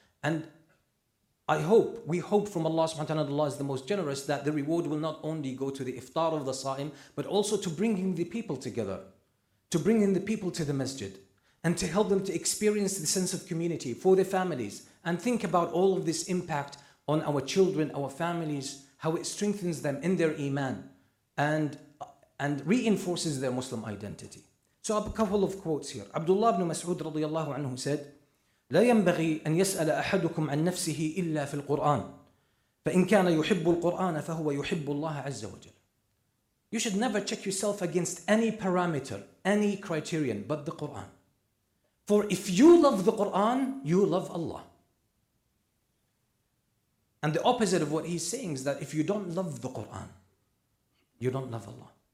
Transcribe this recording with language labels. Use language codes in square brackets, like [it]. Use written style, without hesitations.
[en] And I hope, we hope from Allah subhanahu wa ta'ala, that Allah is the most generous, that the reward will not only go to the iftar of the sa'im, but also to bringing the people together, to bring in the people to the masjid, and to help them to experience the sense of community for their families, and think about all of this impact on our children, our families, how it strengthens them in their iman, and reinforces their Muslim identity. So a couple of quotes here. Abdullah ibn Mas'ud radiallahu anhu said, [ar] لا ينبغي أن يسأل أحدكم عن نفسه إلا في القرآن فإن كان يحب القرآن فهو يحب الله عز وجل. [en] You should never check yourself against any parameter, any criterion but the Quran. For if you love the Quran, you love Allah. And the opposite of what he's saying is that if you don't love the Quran, you don't love Allah.